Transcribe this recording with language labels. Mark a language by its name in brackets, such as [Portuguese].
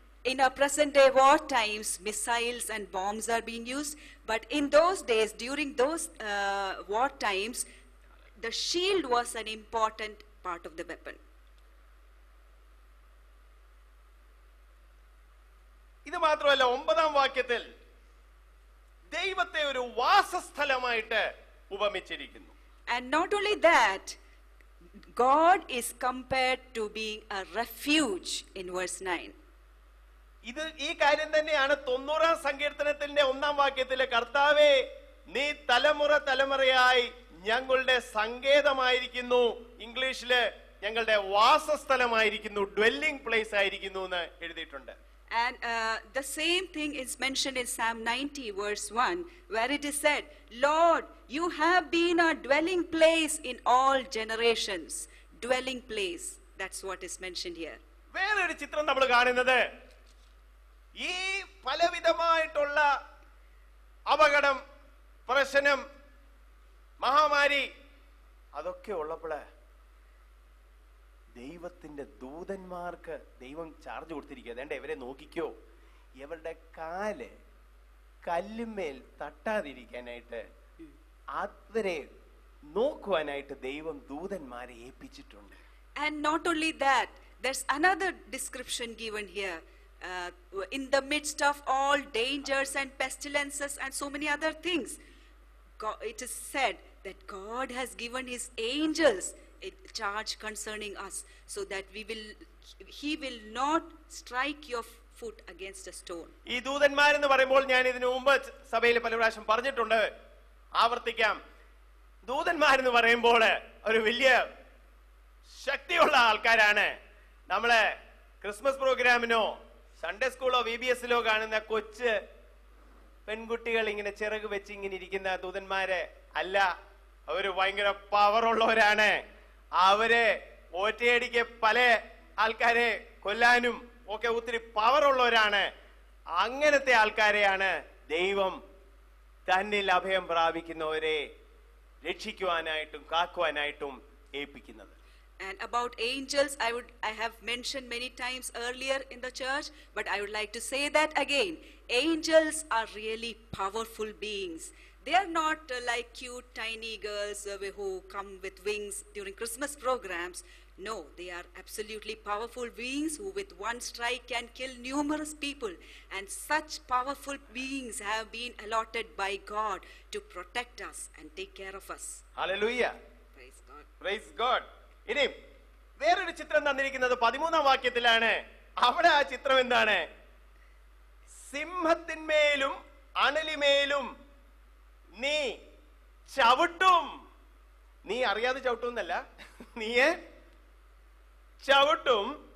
[English] In our present day war times, missiles and bombs are being used. But in those days, during those war times, the shield was an important part of the weapon. [Malayalam] ഇത് മാത്രമല്ല ഒമ്പതാം വാക്യത്തിൽ ദൈവത്തെ ഒരു വാസസ്ഥലമായിട്ട് ഉപമിച്ചിരിക്കുന്നു. [English] And not only that, God is compared to being a refuge in verse 9. [Malayalam] ഇത് ഈ കാര്യം തന്നെയാണ് 90-ാം സങ്കീർത്തനത്തിന്റെ 1-ാം വാക്യത്തിലെ കർത്താവേ നീ തലമുറ തലമുറയായി ഞങ്ങളുടെ സങ്കേതമായിരിക്കുന്നു ഇംഗ്ലീഷിൽ ഞങ്ങളുടെ വാസസ്ഥലമായിരിക്കുന്നു [English] dwelling place [Malayalam] ആയിരിക്കുന്നു എന്ന് എഴുതിയിട്ടുണ്ട് [English] And the same thing is mentioned in Psalm 90 verse 1 where it is said Lord you have been our dwelling place in all generations dwelling place that's what is mentioned here [Malayalam] വേറെ ഒരു ചിത്രം നമ്മൾ കാണുന്നത് ഈ പലവിധമായിട്ടുള്ള അപകടം പ്രശ്നം മഹാമാരി അതൊക്കെ ഉള്ളപ്പോൾ ദൈവത്തിന്റെ ദൂതന്മാർക്ക് ദൈവം ചാർജ് കൊടുത്തിരിക്കുക അതേണ്ട ഇവരെ നോക്കിക്കോ ഇവരുടെ കാല് കല്ലുമേൽ തട്ടാതിരിക്കാനായിട്ട് അവരെ നോക്കുവാനായിട്ട് ദൈവം ദൂതന്മാരെ ഏൽപ്പിച്ചിട്ടുണ്ട് [English] And not only that, there's another description given here. In the midst of all dangers and pestilences and so many other things, God, it is said that God has given His angels a charge concerning us, so that He will not strike your foot against a stone. [Malayalam] ഈ ദൂതന്മാർ എന്ന് പറയുമ്പോൾ ഞാൻ ഇതിനു മുമ്പ് സഭയിലെ പല പ്രാവശ്യം പറഞ്ഞിട്ടുണ്ട് ആവർത്തിക്കാം ദൂതന്മാർ എന്ന് പറയുമ്പോൾ ഒരു വലിയ ശക്തിയുള്ള ആൾക്കാരാണ് നമ്മളെ ക്രിസ്മസ് പ്രോഗ്രാമിനോ സൺഡേ സ്കൂളോ VBSലോ കാണുന്ന കൊച്ച് പെൺകുട്ടികൾ ഇങ്ങനെ ചിറക് വെച്ച് ഇങ്ങനെ ഇരിക്കുന്ന ദൂതന്മാരെ അല്ല അവര് ഭയങ്കര പവറുള്ളവരാണ് അവരെ ഓറ്റയടിക്ക് പല ആൾക്കാരെ കൊല്ലാനും ഒക്കെ ഒത്തിരി പവറുള്ളവരാണ് അങ്ങനത്തെ ആൾക്കാരെയാണ് ദൈവം തന്നിൽ അഭയം പ്രാപിക്കുന്നവരെ രക്ഷിക്കുവാനായിട്ടും കാക്കുവാനായിട്ടും ഏൽപ്പിക്കുന്നത് [English] And about angels, I have mentioned many times earlier in the church, but I would like to say that again. Angels are really powerful beings. They are not like cute tiny girls who come with wings during Christmas programs. No, they are absolutely powerful beings who with one strike can kill numerous people. And such powerful beings have been allotted by God to protect us and take care of us. Hallelujah. Praise God. Praise God. [Malayalam] ഇനി വേറൊരു ചിത്രം തന്നിരിക്കുന്നത് 13-ാം വാക്യത്തിലാണ്. അവിടെ ആ ചിത്രം എന്താണ്? സിംഹത്തിന്മേലും അണലിമേലും നീ ചവിട്ടും. നീ അറിയാതെ ചവിട്ടും എന്നല്ല, നീയെ ചവിട്ടും.